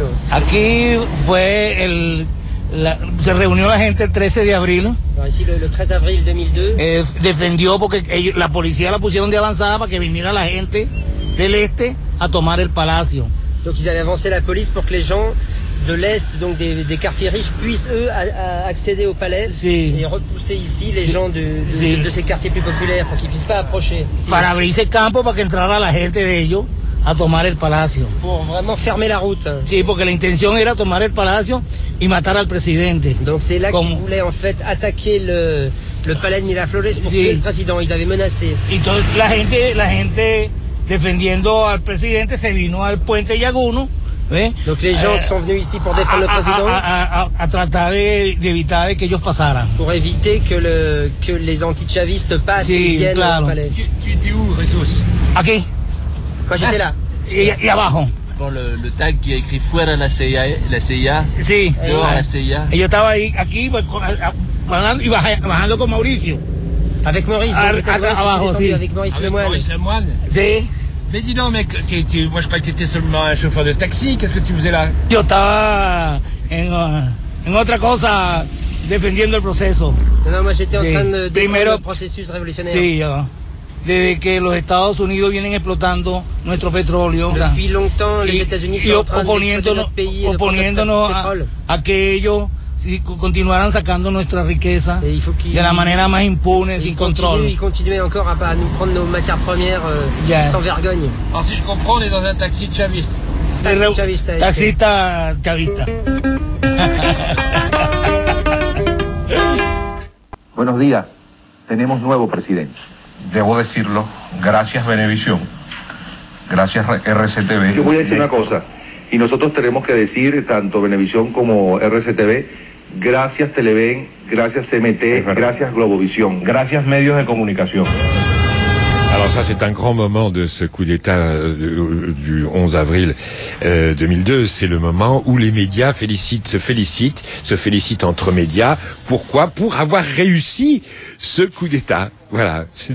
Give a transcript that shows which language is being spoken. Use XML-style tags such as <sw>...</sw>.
<es>Aquí fue se reunió la gente el 13 de abril.</es> <fr>Ici, le 13 avril 2002.</fr> <es>Defendió porque la policía la pusieron de avanzada para que viniera la gente del este a tomar el palacio.</es> <fr>Donc ils allaient avancer la police pour que les gens de l'Est, donc des quartiers riches, puissent eux accéder au palais et repousser ici les gens de ces quartiers plus populaires pour qu'ils puissent pas approcher.</fr> <es>Para abrir ese campo para que entrara la gente de ellos a tomar el palacio.</es> <fr>Pour vraiment fermer la route.</fr> <es>Sí, porque la intención era tomar el palacio y matar al presidente.</es> <fr>Donc c'est là qu'ils voulaient en fait attaquer le palais de Miraflores pour tuer le président. Ils avaient menacé.</fr> <es>Y toda la gente defendiendo al presidente se vino al puente Yaguno.</es> <fr>Donc les gens qui sont venus ici pour défendre le président</fr> <es>a tratar de evitar que ellos pasaran.</es> <fr>Pour éviter que les anti-chavistes passent et viennent au palais. Tu étais où, Jesús?</fr> <es>Aquí.</es> <fr>Quand j'étais là.</fr> <es>Y abajo.</es> <fr>Bon, le tag qui a écrit</fr> <es>fuera la CIA.</es> <fr>La CIA.</fr> <es>Sí.</es> <fr>Dehors la CIA.</fr> <es>Et yo estaba ahí, aquí, bajando con Mauricio.</es> <fr>Avec Mauricio. Avec Mauricio Lemoine.</fr> <es>Sí.</es> <fr>Mais dis donc, mec, moi je croyais que tu étais seulement un chauffeur de taxi, qu'est-ce que tu faisais là?</fr> <es>Yo estaba en otra cosa, defendiendo el proceso.</es> <fr>Non, moi j'étais en train de défendre le processus révolutionnaire.</fr> <es>Sí, desde que los Estados Unidos vienen explotando nuestro petróleo.</es> <fr>Depuis longtemps, les États-Unis sont en train d'exploiter notre pays et</fr> <es>oponiéndonos a que ellos continuaran sacando nuestra riqueza de la manera más impune, sin control. Y continúe</es> <fr>encore a nous prendre nos matières premières sans vergogne. Alors, si je comprends, on est dans un taxi chaviste.</fr> <es>Taxista chavista. Buenos días. Tenemos nuevo presidente. Debo decirlo. Gracias, Venevisión. Gracias, RCTV. Yo voy a decir una cosa. Y nosotros tenemos que decir, tanto Venevisión como RCTV, gracias Televen, gracias CMT, gracias Globovisión, gracias medios de comunicación.</es> <fr>Alors ça, c'est un grand moment de ce coup d'État du 11 avril 2002. C'est le moment où les médias se félicitent entre médias. Pourquoi ? Pour avoir réussi ce coup d'État. Voilà.</fr>